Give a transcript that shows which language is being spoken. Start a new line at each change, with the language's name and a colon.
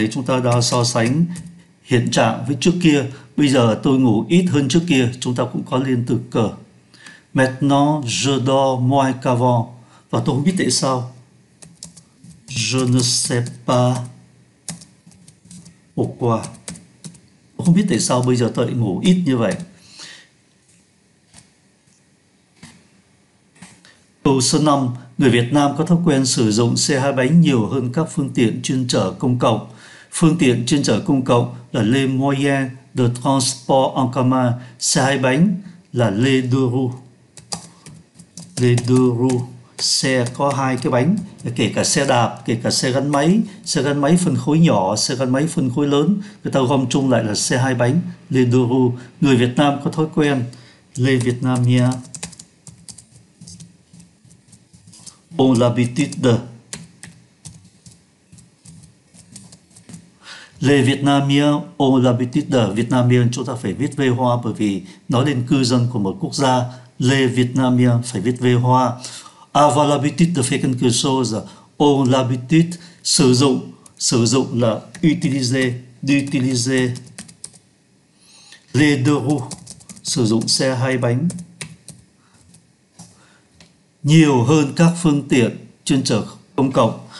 Vietnamese: Ở đây chúng ta đang so sánh hiện trạng với trước kia. Bây giờ tôi ngủ ít hơn trước kia, chúng ta cũng có liên từ cờ.
French: Maintenant, je dors moins qu'avant.
Vietnamese: Và tôi không biết tại sao.
French: Je ne sais pas pourquoi.
Vietnamese: Tôi không biết tại sao bây giờ tôi lại ngủ ít như vậy. Câu số 5. Người Việt Nam có thói quen sử dụng xe hai bánh nhiều hơn các phương tiện chuyên chở công cộng. Phương tiện chuyên chở công cộng là
French: les moyens de transport en commun.
Vietnamese: Xe hai bánh là
French: les deux roues. Les deux roues.
Vietnamese: Xe có hai cái bánh, kể cả xe đạp, kể cả xe gắn máy phân khối nhỏ, xe gắn máy phân khối lớn, người ta gom chung lại là xe hai bánh,
French: les deux roues.
Vietnamese: Người Việt Nam có thói quen,
French: les Vietnamiens ont l'habitude. Les Vietnamiens ont l'habitude.
Vietnamese: Vietnamiens chúng ta phải viết vê hoa bởi vì nói lên cư dân của một quốc gia.
French: Les Vietnamiens
Vietnamese: phải viết vê hoa.
French: Avoir l'habitude de faire quelque chose, on l'habitude,
Vietnamese: sử dụng là
French: d'utiliser les deux roues,
Vietnamese: sử dụng xe hai bánh, nhiều hơn các phương tiện chuyên chở công cộng.